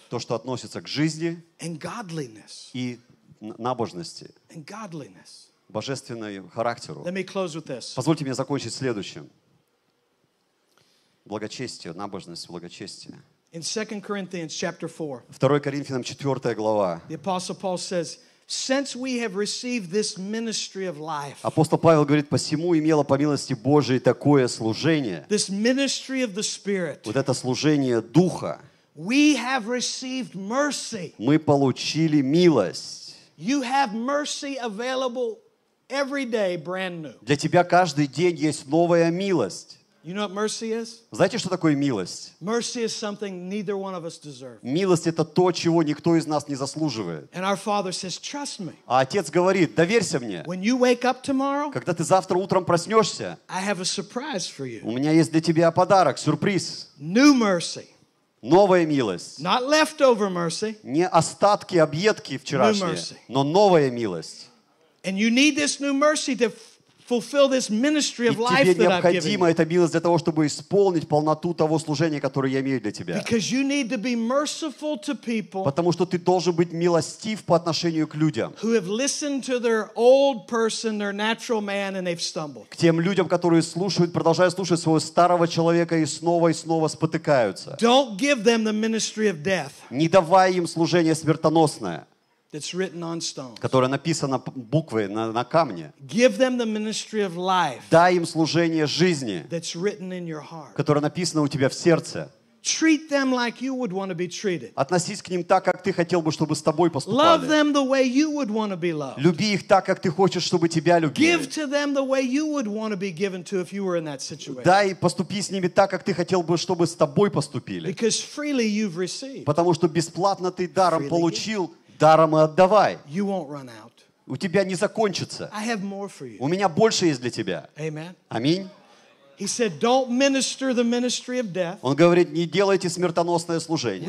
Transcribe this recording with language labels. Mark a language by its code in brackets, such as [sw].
[ru] То, что относится к жизни. [en] And godliness. [ru] И набожности. [en] And godliness. [ru] Божественный характер. Позвольте мне закончить следующим. Благочестие, набожность, благочестие. [en] In 2 Corinthians chapter 4. [ru] 2 Коринфянам 4 глава. [en] The apostle Paul says, since we have received this ministry of life. [ru] Апостол Павел говорит, посему имело по милости Божией такое служение. [en] This ministry of the Spirit. [ru] Вот это служение Духа. [en] We have received mercy. [ru] Мы получили милость. [en] You have mercy available. Every day, brand new. [ru] Для тебя каждый день есть новая милость. [en] You know what mercy is? [ru] Знаете, что такое милость? [en] Mercy is something neither one of us deserve. [ru] Милость — это то, чего никто из нас не заслуживает. [en] And our Father says, "Trust me." [ru] А отец говорит: доверься мне. [en] When you wake up tomorrow, [ru] когда ты завтра утром проснешься, [en] I have a surprise for you. [ru] У меня есть для тебя подарок, сюрприз. [en] New mercy. [ru] Новая милость. [en] Not leftover mercy. [ru] Не остатки, объедки вчерашние, [en] new mercy. [ru] Но новая милость. [en] And you need this new mercy to fulfill this ministry of life that I've given you. [ru] И тебе необходима эта милость для того, чтобы исполнить полноту того служения, которое я имею для тебя. [en] Because you need to be merciful to people. [ru] Потому что ты должен быть милостив по отношению к людям. [en] Who have listened to their old person, their natural man, and they've stumbled. [ru] К тем людям, которые слушают, продолжают слушать своего старого человека и снова спотыкаются. [en] Don't give them the ministry of death. [ru] Не давай им служение смертоносное. [en] That's written on stones. [ru] Которое написано буквой на камне. [en] Give them the ministry of life. [ru] Дай им служение жизни. [en] That's written in your heart. [ru] Которое написано у тебя в сердце. [en] Treat them like you would want to be treated. [ru] Относись к ним так, как ты хотел бы, чтобы с тобой поступали. [en] Love them the way you would want to be loved. [ru] Люби их так, как ты хочешь, чтобы тебя любили. [en] Give to them the way you would want to be given to if you were in that situation. [ru] Дай, поступи с ними так, как ты хотел бы, чтобы с тобой поступили. [en] Because freely you've received. [ru] Потому что бесплатно ты даром получил. Даром и отдавай. [en] You won't run out. [ru] у тебя не закончится. [en] I have more for you. [ru] У меня больше есть для тебя. [en] Amen. [ru] Аминь. [en] He said, "Don't minister the ministry of death." [ru] Он говорит, не делайте смертоносное служение.